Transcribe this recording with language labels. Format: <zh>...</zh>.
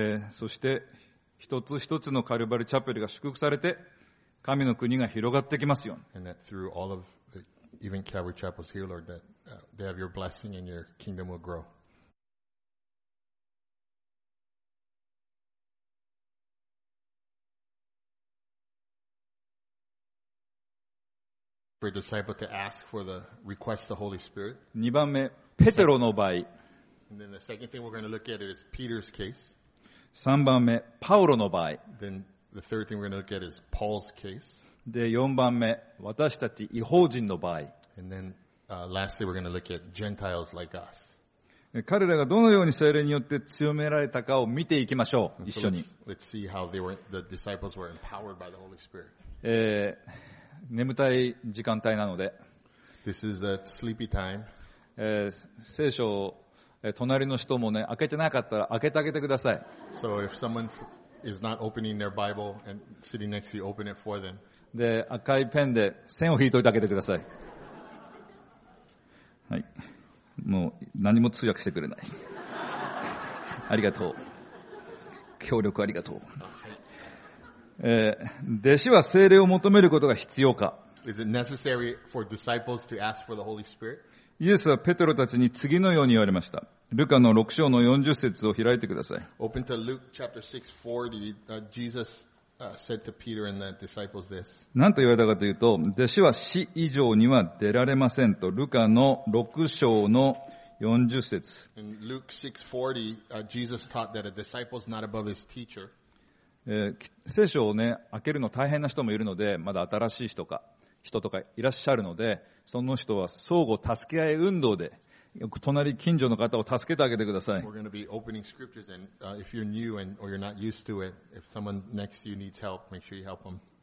<ja>そして一つ一つのカルバリチャペルが祝福されて、神の国が広がってきますように。</ja> <en>And that through all of the, even Calvary Chapels here, Lord, that they have your blessing and your kingdom will grow. For a disciple to ask for the request of the Holy Spirit.</en> <ja>2番目、ペテロの場合。</ja> <en>And then the second thing we're going to look at is Peter's case.</en> <ja>3番目、パウロの場合。</ja> <en>Then,The third thing we're going to look at is Paul's case.</en> <ja>で、4番目、私たち異邦人の場合。</ja> <en>And then, lastly, we're going to look at Gentiles like us.</en> <ja>彼らがどのように聖霊によって強められたかを見ていきましょう、一緒に。</ja> <en>Let's see how they were, the disciples were empowered by the Holy Spirit.</en> <ja>眠たい時間帯なので。</ja> <en>This is the sleepy time.</en> <ja>聖書を、隣の人もね、開けてなかったら開けてあげてください。</ja> <en>So if someone... is not opening their Bible and sitting next to you, open it for them.</en> <ja>で、赤いペンで線を引いておいてあげてください。はい。もう何も通訳してくれない。ありがとう。協力ありがとう。はい。弟子は聖霊を求めることが必要か。</ja> <en>Is it necessary for disciples to ask for the Holy Spirit?</en> <ja>イエスはペテロたちに次のように言われました。ルカの6章の40節を開いてください。</ja> <en>Open to Luke chapter 6:40, Jesus said to Peter and the disciples this.</en> <ja>何と言われたかというと、弟子は死以上には出られませんと、ルカの6章の40節。</ja> <en>In Luke 6:40, Jesus taught that a disciple is not above his teacher.</en> <ja>聖書をね、開けるの大変な人もいるので、まだ新しい人とかいらっしゃるので、その人は相互助け合い運動で、隣近所の方を助けてあげてください。</ja> <en>We're going to be opening scriptures, and if you're new and or you're not used to it, if someone next to you needs help, make sure you help them.</en>